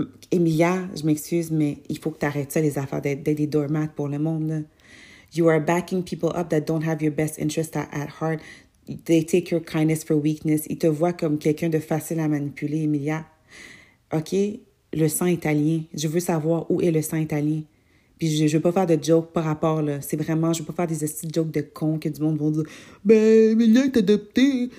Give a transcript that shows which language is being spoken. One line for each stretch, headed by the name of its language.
French: Emilia, je m'excuse, mais il faut que tu arrêtes ça, les affaires d'être des doormats pour le monde.
English: You are backing people up that don't have your best interest at heart. They take your kindness for weakness.
French: Ils te voient comme quelqu'un de facile à manipuler, Emilia. OK? Le sang italien. Je veux savoir où est le sang italien. Puis je veux pas faire de joke par rapport, là. C'est vraiment, je veux pas faire des esti jokes de con que du monde vont dire « Ben, Emilia est adoptée!